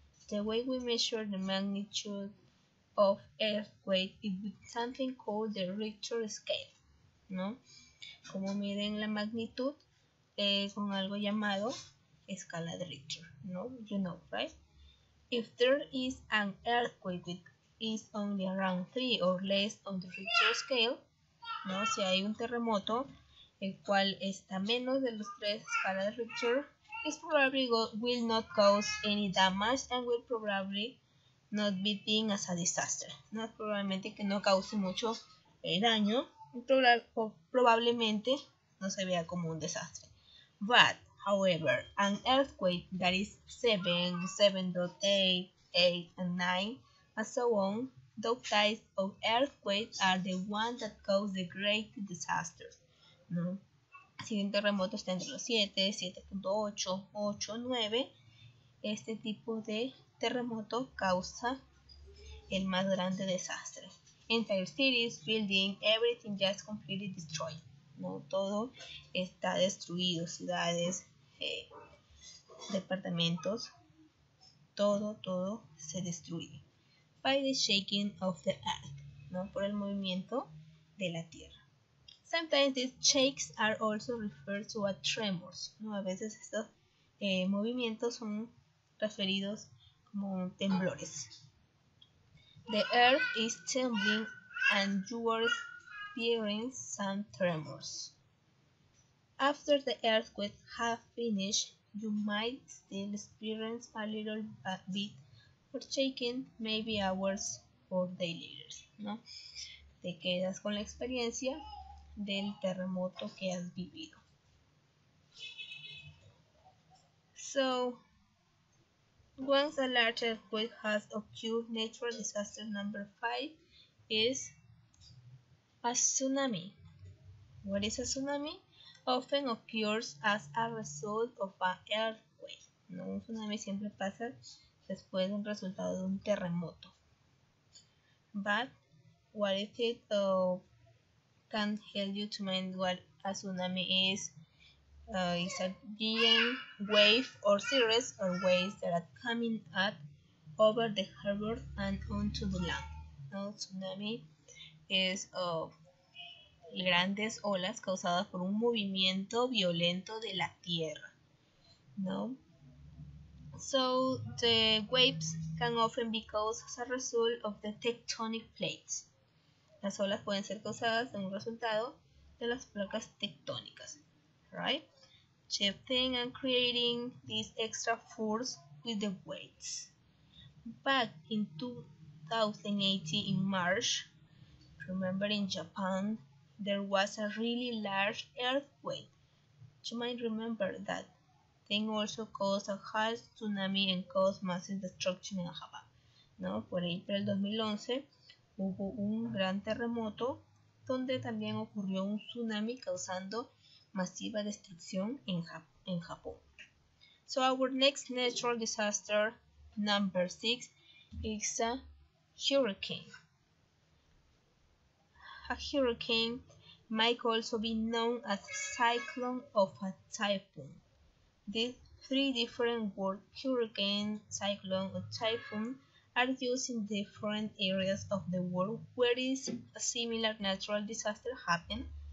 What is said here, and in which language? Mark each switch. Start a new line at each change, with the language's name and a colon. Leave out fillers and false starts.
English: The way we measure the magnitude of earthquake is with something called the Richter scale, ¿no?
Spanish: Como miden la magnitud es con algo llamado escala de Richter, ¿no?
English: You know, right? If there is an earthquake with is only around 3 or less on the Richter scale, ¿no?
Spanish: Si hay un terremoto el cual está menos de los 3 escala de Richter,
English: it probably will not cause any damage and will probably not be seen as a disaster.
Spanish: No, probablemente que no cause mucho daño, probablemente no se vea como un desastre.
English: But, however, an earthquake that is 7, 7.8, 8, and 9, and so on, those types of earthquakes are the ones that cause the great disaster.
Spanish: ¿No? Si un terremoto está entre los 7, 7.8, 8, 9, este tipo de terremoto causa el más grande desastre.
English: Entire cities, buildings, everything just completely destroyed. ¿No?
Spanish: Todo está destruido, ciudades, departamentos, todo se destruye.
English: By the shaking of the earth,
Spanish: ¿no? Por el movimiento de la tierra.
English: Sometimes these shakes are also referred to as tremors, ¿no?
Spanish: A veces estos movimientos son referidos como temblores.
English: The earth is trembling and you are experiencing some tremors. After the earthquake has finished, you might still experience a little bit of shaking, maybe hours or days later, ¿no?
Spanish: Te quedas con la experiencia del terremoto que has vivido.
English: So, once a large earthquake has occurred, natural disaster number 5 is a tsunami. What is a tsunami? Often occurs as a result of an earthquake. ¿No?
Spanish: Un tsunami siempre pasa después de un resultado de un terremoto.
English: But, what is it? Can help you to mind what a tsunami is. It's a giant wave or series of waves that are coming up over the harbor and onto the land.
Spanish: ¿no? Tsunami es grandes olas causadas por un movimiento violento de la tierra, ¿no?
English: So the waves can often be caused as a result of the tectonic plates.
Spanish: Las olas pueden ser causadas de un resultado de las placas tectónicas,
English: right? Shifting and creating this extra force with the weights. Back in 2018 in March, remember in Japan, there was a really large earthquake. You might remember that thing also caused a high tsunami and caused massive destruction in Japan, ¿no?
Spanish: Por ahí, pero el 2011 hubo un gran terremoto donde también ocurrió un tsunami causando masiva destrucción en Japón.
English: So our next natural disaster, number 6, is a hurricane. A hurricane might also be known as cyclone or a typhoon. These three different words, hurricane, cyclone, or typhoon, are used in different areas of the world where is a similar natural disaster happen.